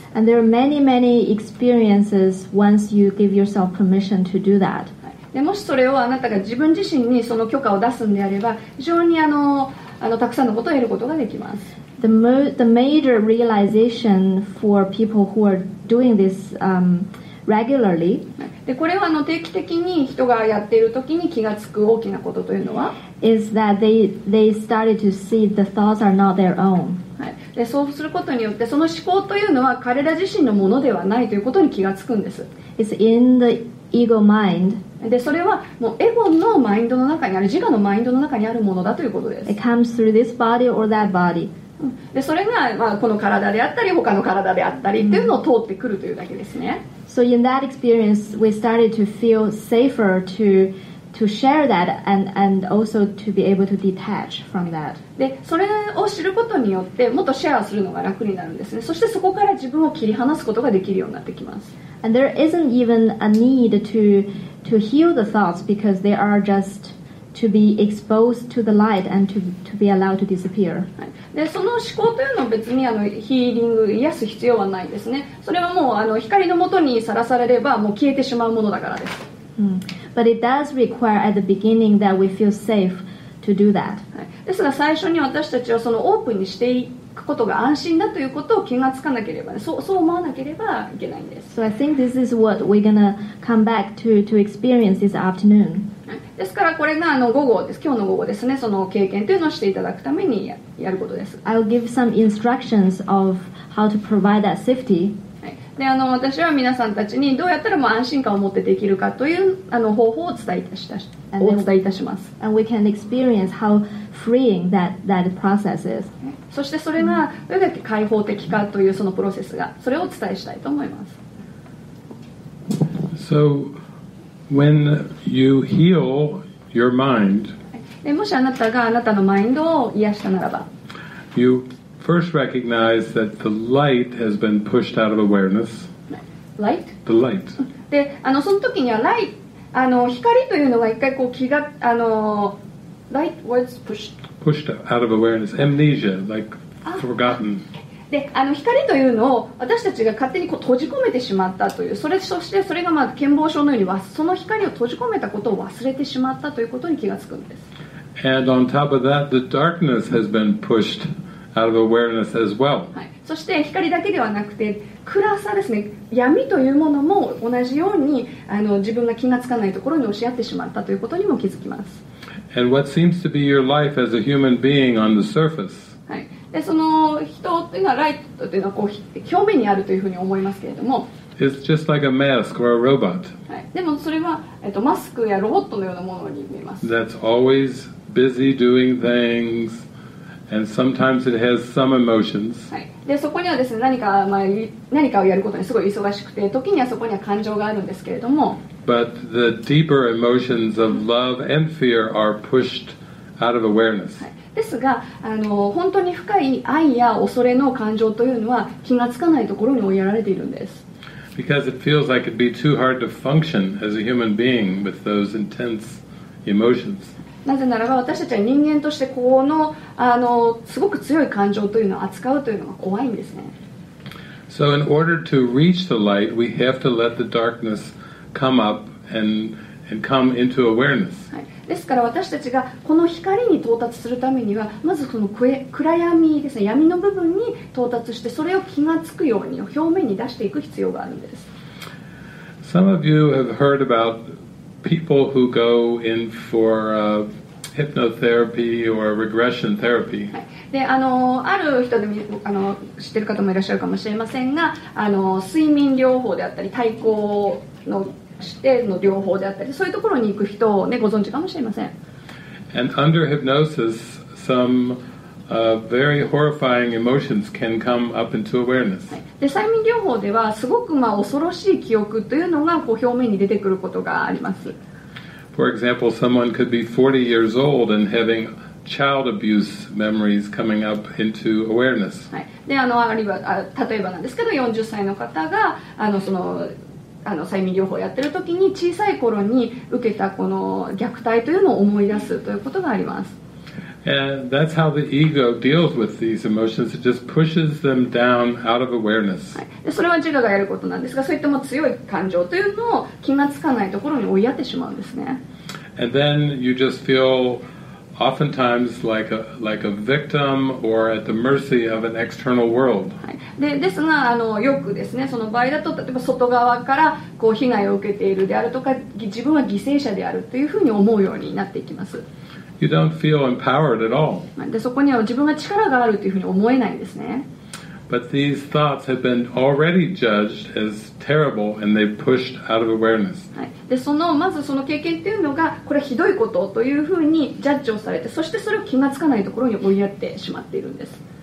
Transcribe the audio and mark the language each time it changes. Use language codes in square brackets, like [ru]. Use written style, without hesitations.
[en] And there are many, many experiences once you give yourself permission to do that.、 [ja] はい、もしそれをあなたが自分自身にその許可を出すんであれば非常にたくさんのことを得ることができます。 [en] The major realization for people who are doing this、regularly [ja] でこれは定期的に人がやっている時に気がつく大きなことというのは [en] is that they started to see the thoughts are not their own、 [ja] はい、でそうすることによってその思考というのは彼ら自身のものではないということに気がつくんです [en] It's in the ego mind [ja] でそれはもうエゴのマインドの中にある自我のマインドの中にあるものだということです [en] It comes through this body or that body [ja] でそれが、まあ、この体であったり他の体であったりというのを通ってくるというだけですね [en] So in that experience, we started to feel safer to share that and also to be able to detach from that. [ja] で、それを知ることによって、もっとシェアするのが楽になるんですね。そしてそこから自分を切り離すことができるようになってきます。 [en] And there isn't even a need to heal the thoughts because they are just to be exposed to the light and to be allowed to disappear. [ja] でその思考というのは別にヒーリング癒す必要はないですねそれはもう光のもとにさらされればもう消えてしまうものだからです、 [en] But it does require at the beginning that we feel safe to do that、 [ja] はい、ですが最初に私たちはそのオープンにしていくことが安心だということを気がつかなければ、ね、そう思わなければいけないんです [en] So I think this is what we're gonna come back to experience this afternoon、 [ja] はいですからこれが午後です今日の午後ですねその経験というのをしていただくためにやることです [en] I'll give some instructions of how to provide that safety、 [ja] はい、で私は皆さんたちにどうやったらもう安心感を持ってできるかという方法をお伝えいたします [en] and we can experience how freeing that process is [ja] そしてそれがどれだけ開放的かというそのプロセスがそれをお伝えしたいと思います [en] SoWhen you heal your mind, [ja] もしあなたがあなたのマインドを癒したならば [en] you first recognize that the light has been pushed out of awareness. Light? The light. [ja] で、その時には light、光というのが一回こう気が、 [en] light was pushed. Pushed out of awareness. Amnesia, like forgotten. [ja] で光というのを私たちが勝手にこう閉じ込めてしまったというそしてそれがまあ健忘症のようにその光を閉じ込めたことを忘れてしまったということに気がつくんです [en] And on top of that, the darkness has been pushed out of awareness as well、 [ja] はい、そして光だけではなくて暗さですね闇というものも同じように自分が気がつかないところに押し合ってしまったということにも気づきます [en] And what seems to be your life as a human being on the surface [ja] はいでその人っていうのはライトっていうのはこう表面にあるというふうに思いますけれども [en] It's just like a mask or a robot、 [ja] はい、でもそれは、マスクやロボットのようなものに見えます [en] That's always busy doing things And sometimes it has some emotions. [ja] はい。で、そこにはですね、何か、まあ、何かをやることにすごい忙しくて、時にはそこには感情があるんですけれども。 [en] But the deeper emotions of love and fear are pushed out of awareness. [ja] はい。ですが、あの、本当に深い愛や恐れの感情というのは気がつかないところに追いやられているんです。 [en] Because it feels like it'd be too hard to function as a human being with those intense emotions. [ja] なぜならば私たちは人間としてこの、あの、すごく強い感情というのを扱うというのが怖いんですね。 [en] So in order to reach the light, we have to let the darkness come up and come into awareness. [ja] はい。ですから私たちがこの光に到達するためにはまずその暗闇ですね、闇の部分に到達してそれを気がつくように表面に出していく必要があるんです。 [en] Some of you have heard about people who go in for hypnotherapy or regression therapy、 [ja] はい、で、あの、ある人で、あの、知ってる方もいらっしゃるかもしれませんが、あの、睡眠療法であったり対抗のしての療法であったり、そういうところに行く人を、ね、ご存知かもしれません。 [en] And under hypnosis, some, very horrifying emotions can come up into awareness. [ja] で、催眠療法ではすごく、まあ、恐ろしい記憶というのがこう表面に出てくることがあります。 [en] For example, someone could be 40 years old and having child abuse memories coming up into awareness. [ja] はい。で、あの、あるいは、例えばなんですけど、40歳の方が、あの、その、あの、催眠療法をやってる時に小さい頃に受けたこの虐待というのを思い出すということがあります。 [en] And that's how the ego deals with these emotions. It just pushes them down out of awareness.、 [ja] はい、で、それは自我がやることなんですが、そういった強い感情というのを気がつかないところに追いやってしまうんですね。 [en] And then you just feel oftentimes like a victim or at the mercy of an external world.、 [ja] はい、で、 ですが、あの、よくですね、その場合だと例えば外側からこう被害を受けているであるとか、自分は犠牲者であるというふうに思うようになっていきます。 [en] You don't feel empowered at all. [ja] で、そこには自分が力があるというふうに思えないんですね。 [en] But these thoughts have been already judged as terrible and they've pushed out of awareness.、 [ja] はい、で、そのまずその経験というのがこれはひどいことというふうにジャッジをされて、そしてそれを気がつかないところに追いやってしまっているんです。